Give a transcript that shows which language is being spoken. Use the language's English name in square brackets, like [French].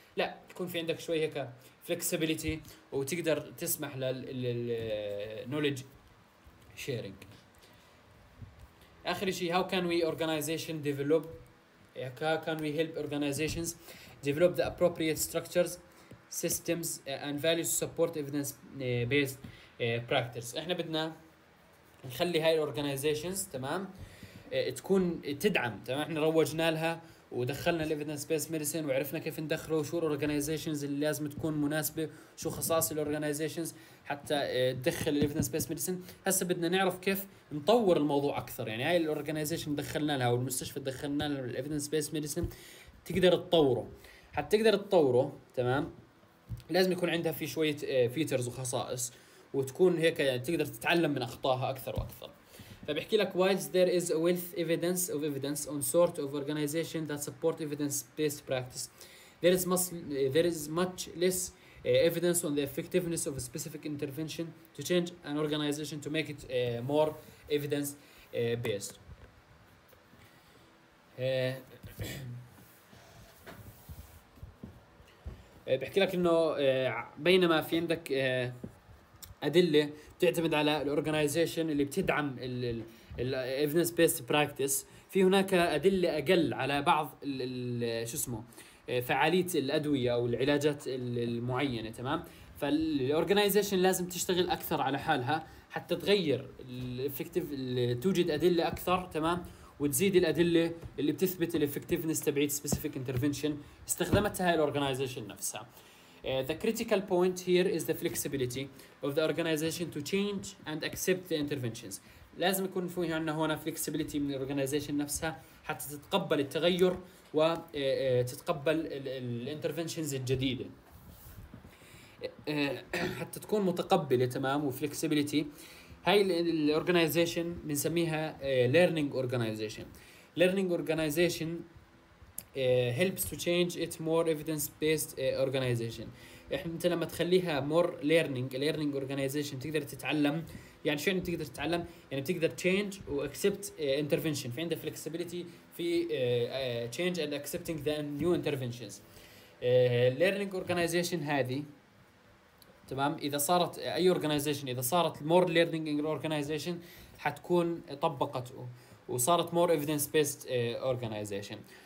[Arabic] لا، تكون في عندك شوي هيك flexibility وتقدر تسمح للknowledge sharing. آخر شيء، [English] how can we organization develop، how can we help organizations develop the appropriate structures systems and values support evidence based practice. [Arabic] احنا بدنا نخلي هاي الاورجانيزيشنز تمام تكون تدعم تمام، احنا روجنا لها ودخلنا الايفيدنس بيس ميديسين وعرفنا كيف ندخله وشو الاورجانيزيشنز اللي لازم تكون مناسبه، شو خصائص الاورجانيزيشنز حتى تدخل الايفيدنس بيس ميديسين. هسه بدنا نعرف كيف نطور الموضوع اكثر، يعني هاي الاورجانيزيشن دخلنا لها والمستشفى دخلنا لها الايفيدنس بيس ميديسين، تقدر تطوره. حتى تقدر تطوره تمام لازم يكون عندها في شويه فيترز وخصائص، وتكون هيك يعني تقدر تتعلم من اخطائها اكثر واكثر. فبيحكي لك [English] whilst there is a wealth evidence of evidence on sort of organization that support evidence based practice, there is much less evidence on the effectiveness of a specific intervention to change an organization to make it more evidence based. [Arabic] بحكي لك انه بينما في عندك أدلة تعتمد على الأورجانيزيشن اللي بتدعم الإيفيدنس بيست براكتس، في هناك أدلة أقل على بعض شو اسمه فعالية الأدوية أو العلاجات المعينة تمام. فالأورجانيزيشن لازم تشتغل أكثر على حالها حتى تغير الإفكتيف، توجد أدلة أكثر تمام، وتزيد الأدلة اللي بتثبت الإفكتيفنس تبعيت سبيسيفيك انترفينشن استخدمتها الأورجانيزيشن نفسها. [English] The critical point here is the flexibility of the organization to change and accept the interventions. [Arabic] لازم يكون فيه عندنا هنا flexibility من الorganization نفسها حتى تتقبل التغير وتتقبل الinterventions الجديدة. حتى تكون متقبلة تمام وflexibility. هاي الorganization بنسميها learning organization. [English] Learning organization helps to change it more evidence based organization. [Arabic] احنا انت لما تخليها [English] more learning organization [Arabic] تقدر تتعلم، يعني شو يعني تقدر تتعلم؟ يعني بتقدر change و accept intervention، في عندها flexibility في [English] change and accepting the new interventions. [Arabic] Learning organization هذه تمام اذا صارت اي organization، اذا صارت [English] more learning organization [Arabic] حتكون طبقت وصارت [English] more evidence based organization.